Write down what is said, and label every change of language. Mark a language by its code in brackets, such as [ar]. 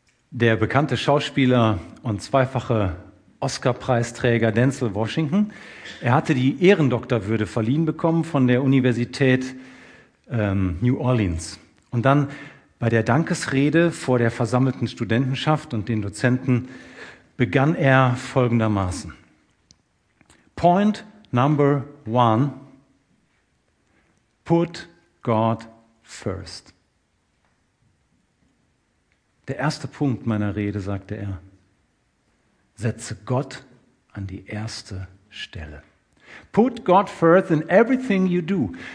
[de] Der bekannte Schauspieler und zweifache Oscar-Preisträger Denzel Washington, er hatte die Ehrendoktorwürde verliehen bekommen von der Universität New Orleans. Und dann bei der Dankesrede vor der versammelten Studentenschaft und den Dozenten begann er folgendermaßen. [en] Point number one, put God first. [de] Der erste Punkt meiner Rede, sagte er, setze Gott an die erste Stelle. [en] Put God first in everything you do.